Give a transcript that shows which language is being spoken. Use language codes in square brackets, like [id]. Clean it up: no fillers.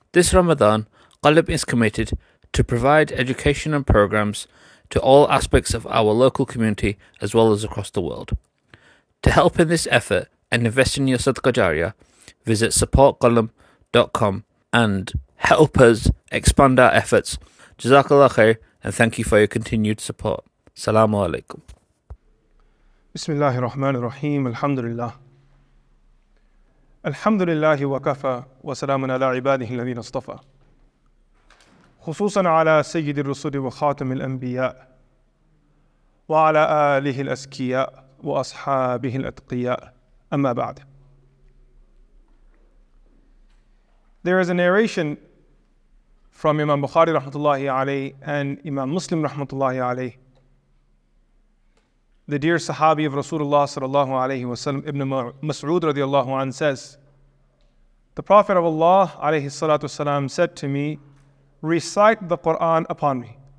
[en] This Ramadan, Qalb is committed to provide education and programs to all aspects of our local community as well as across the world. To help in this effort and invest in your Sadqa Jariyah, visit supportqalb.com and help us expand our efforts. Jazakallah khair and thank you for your continued support. Assalamu alaikum. [ar] بسم الله الرحمن الرحيم الحمد لله الحمد لله وكفى وسلام على عباده الذين اصطفى خصوصا على سيد الرسل وخاتم الأنبياء وعلى آله الأزكياء وأصحابه الأتقياء أما بعد. [en] There is a narration from Imam Bukhari [ar] رحمة الله عليه [en] and Imam Muslim رحمة الله عليه. The dear Sahabi of Rasulullah sallallahu alayhi wa sallam, Ibn Mas'ud radiallahu anhu, says, the Prophet of Allah alayhi salatu wasalam said to me, recite the Quran upon me.